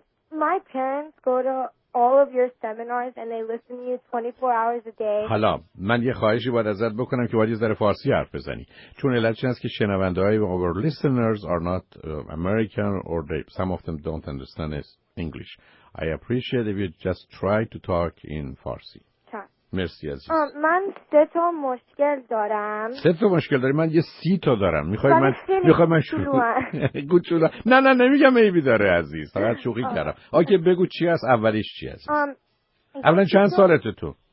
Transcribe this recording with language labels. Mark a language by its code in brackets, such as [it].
[en] My parents go to all of your seminars and they listen to you 24 hours a day. [fa] حالا من یه خواهشی باید ازت بکنم که باید یه ذره فارسی حرف بزنی. چون علتش این است که شنونده های [en] our listeners are not American or they, some of them don't understand English. I appreciate if you just try to talk in Farsi. [fa] مرسی عزیز. من سه تا مشکل دارم. سه تا مشکل داری؟ من یه سی تا دارم. میخوای من شروع گوچولا. نه نه نمیگم عیبی داره عزیز. فقط شوخی کردم. اوکی بگو چی هست اولیش چی هست؟ اولا چند سالت تو؟